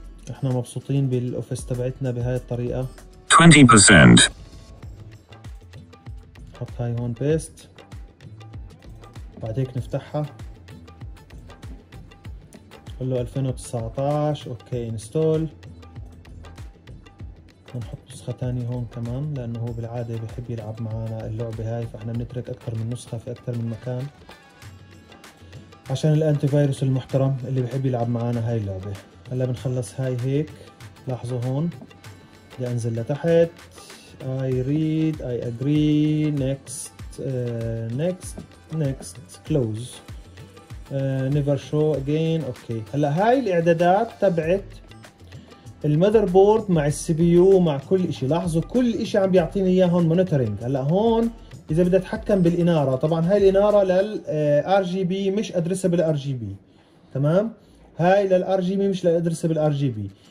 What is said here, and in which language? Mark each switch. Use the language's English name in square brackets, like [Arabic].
[Arabic] احنا مبسوطين بالاوفيس تبعتنا بهاي الطريقة. 20% حط هاي هون بيست، بعد هيك نفتحها، قول له 2019 اوكي انستول، ونحط نسخة تانية هون كمان لانه هو بالعادة بيحب يلعب معنا اللعبة هاي، فاحنا بنترك اكثر من نسخة في اكثر من مكان عشان الانتي فيروس المحترم اللي بيحب يلعب معنا هاي اللعبة. هلا بنخلص هاي هيك، لاحظوا هون بدي انزل لتحت. [English] I read, I agree, next, next, next, close, never show again, okay. [Arabic] هلا هاي الاعدادات تبعت المذر بورد مع السي بي يو مع كل شيء، لاحظوا كل شيء عم بيعطيني اياه هون مونيتورينج. هلا هون اذا بدي اتحكم بالاناره، طبعا هاي الاناره لل ار جي بي مش ادريسبل ار جي بي تمام، هاي للار جي بي مش لادريسبل ار جي بي.